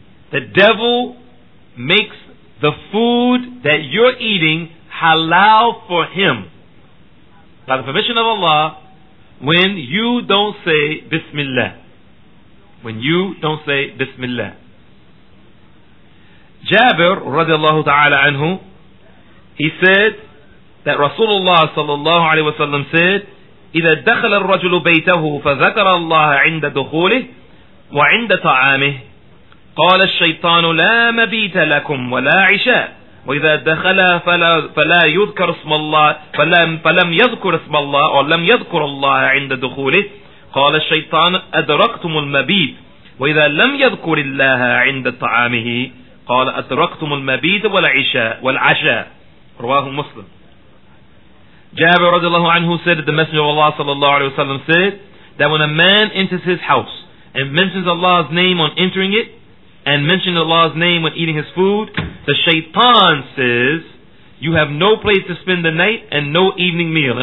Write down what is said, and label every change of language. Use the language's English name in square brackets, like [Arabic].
[English] The devil makes the food that you're eating halal for him by the permission of Allah when you don't say Bismillah. When you don't say Bismillah. Jabir radiallahu ta'ala anhu, he said that Rasulullah sallallahu alayhi wa sallam said, [Arabic] إذا دخل الرجل بيته فذكر الله عند دخوله وعند طعامه قال الشيطان لا مبيت لكم ولا عشاء وإذا دخل فلا يذكر اسم الله فلم يذكر اسم الله أو لم يذكر الله عند دخوله قال الشيطان أدركتم المبيت وإذا لم يذكر الله عند طعامه قال أتركتم المبيت والعشاء والعشاء رواه مسلم. [English] Jabir radiallahu anhu said that the Messenger of Allah sallallahu alayhi wa sallam said that when a man enters his house and mentions Allah's name on entering it and mentions Allah's name when eating his food, the shaitan says, you have no place to spend the night and no evening meal.